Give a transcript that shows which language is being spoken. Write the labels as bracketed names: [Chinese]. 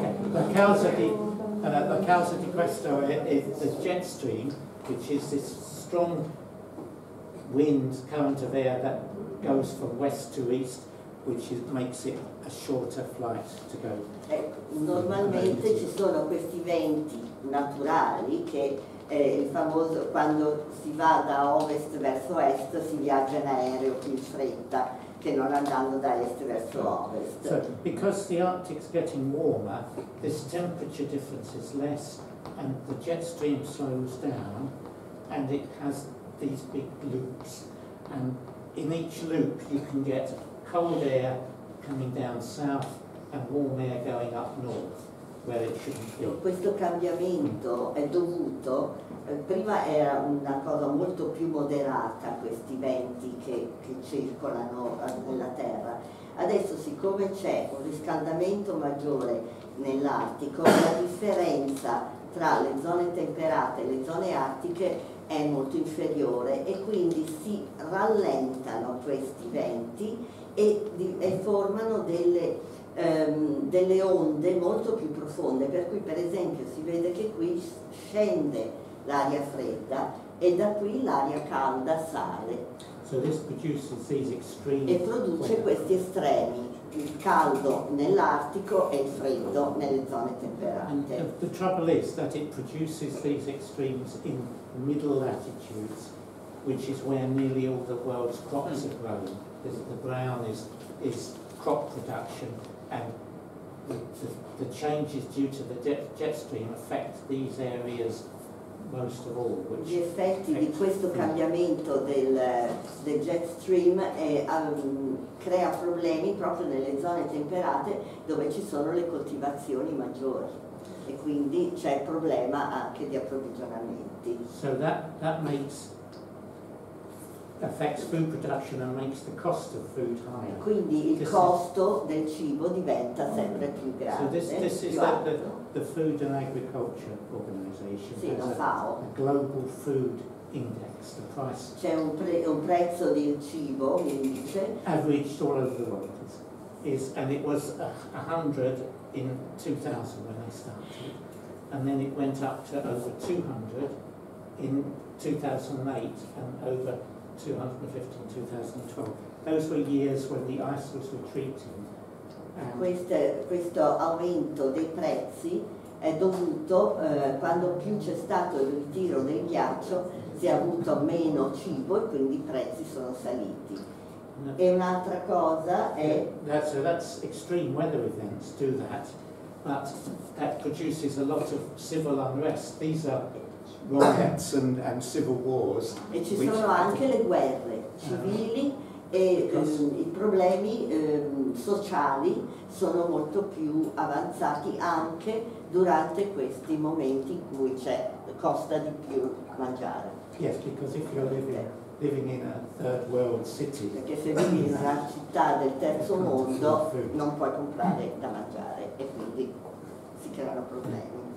[Italian] La causa di questo [English] is the jet stream, which is this strong wind current of air that goes from west to east, which makes it a shorter flight to go. [Italian] Normalmente ci sono questi venti naturali che il famoso quando si va da ovest verso est si viaggia in aereo più in fretta che non andando da est verso ovest. [English] So, because the Arctic's getting warmer, this temperature difference is less and the jet stream slows down and it has these big loops, and in each loop you can get cold air coming down south and warm air going up north. [Italian] Questo cambiamento è dovuto, prima era una cosa molto più moderata questi venti che circolano nella Terra, adesso siccome c'è un riscaldamento maggiore nell'Artico, la differenza tra le zone temperate e le zone artiche è molto inferiore e quindi si rallentano questi venti e formano delle onde molto più profonde, per cui per esempio si vede che qui scende l'aria fredda e da qui l'aria calda sale. [English] So this produces these extreme [Italian] e produce weather. Questi estremi, il caldo nell'Artico e il freddo nelle zone temperate. [English] And the trouble is that it produces these extremes in middle latitudes, which is where nearly all the world's crops are grown. The brown is crop production. And the changes due to the jet stream affect these areas most of all. Which [Italian] gli effetti di questo cambiamento del jet stream crea problemi proprio nelle zone temperate dove ci sono le coltivazioni maggiori e quindi c'è il problema anche di approvvigionamenti. [English] So that makes affects food production and makes the cost of food higher. [Italian] Quindi il costo del cibo diventa sempre più grande. [English] So this is that the Food and Agriculture Organization, [Italian] sì, [English] has a global food index, the price. [Italian] C'è un prezzo del cibo, l'indice. [English] Averaged all over the world. And it was 100 in 2000 when they started. And then it went up to over 200 in 2008 and over 2015-2012. Those were years when the ice was retreating. [Italian] Questo aumento dei prezzi è dovuto quando più c'è stato il ritiro del ghiaccio, si è avuto meno cibo e quindi i prezzi sono saliti. No. E un'altra cosa è. [English] That's extreme weather events do that, but that produces a lot of civil unrest. These are riots and civil wars. [Italian] E ci sono anche le guerre civili e i problemi sociali sono molto più avanzati anche durante questi momenti in cui c'è costa di più mangiare. [English] Yes, because if you're living in a third world city. [Italian] Perché se vivi in una città del terzo mondo non puoi comprare da mangiare e quindi si creano problemi.